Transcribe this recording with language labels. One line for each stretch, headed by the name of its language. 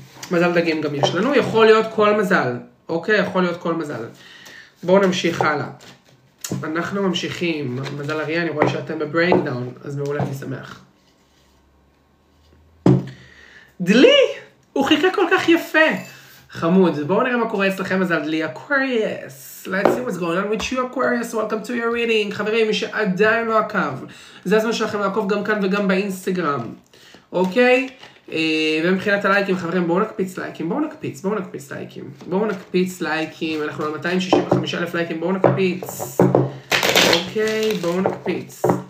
Hebrew: מזל דגים גם יש לנו, יכול להיות כל מזל, אוקיי? יכול להיות כל מזל. בואו נמשיך הלאה. אנחנו ממשיכים, מזל אריה, אני רואה שאתם בברייקדאון, אז מעולה, אני שמח. דלי! הוא חיכה כל כך יפה! חמוד, בואו נראה מה קורה אצלכם, מזל דלי, אקוויריוס.
English: Let's see what's going on with you, Aquarius. Welcome to your reading.
Hebrew: חברים, מי שעדיין לא עקב, זה הזמן שלכם לעקוב גם כאן וגם באינסטגרם, אוקיי? ומבחינת הלייקים, חברים, בואו נקפיץ לייקים, בואו נקפיץ, בואו נקפיץ לייקים, בואו נקפיץ לייקים, אנחנו על 265,000 לייקים, בואו נקפיץ, אוקיי, בואו נקפיץ.